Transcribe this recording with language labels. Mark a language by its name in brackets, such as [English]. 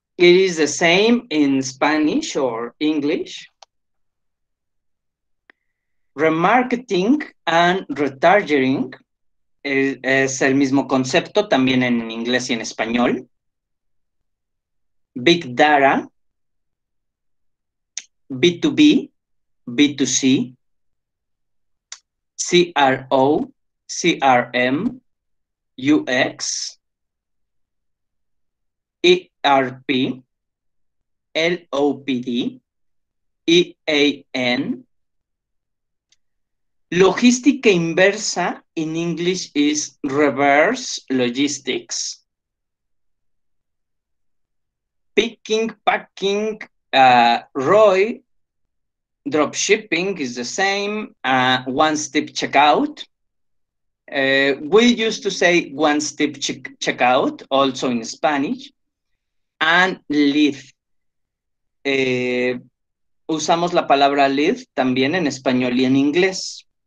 [English] It is the same in Spanish or English. [Spanish] Remarketing and retargeting es el mismo concepto también en inglés y en español. [English] Big data, B2B, B2C, CRO, CRM, UX, ERP, LOPD, EAN, Logística inversa in English is reverse logistics. Picking, packing, ROI, drop shipping is the same, one-step checkout. We used to say one-step checkout, also in Spanish, and lead. [Spanish] Usamos la palabra lead también en español y en inglés.